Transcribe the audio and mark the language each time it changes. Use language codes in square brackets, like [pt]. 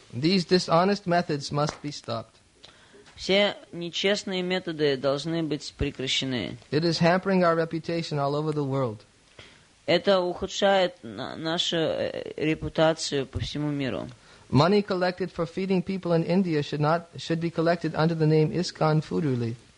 [en] These dishonest methods must be stopped. [ru] Все нечестные методы должны быть прекращены. [en] It is hampering our reputation all over the world. [ru] Это ухудшает нашу репутацию по всему миру. [en] Money collected for feeding people in India should be collected under the name ISKCON Food Relief.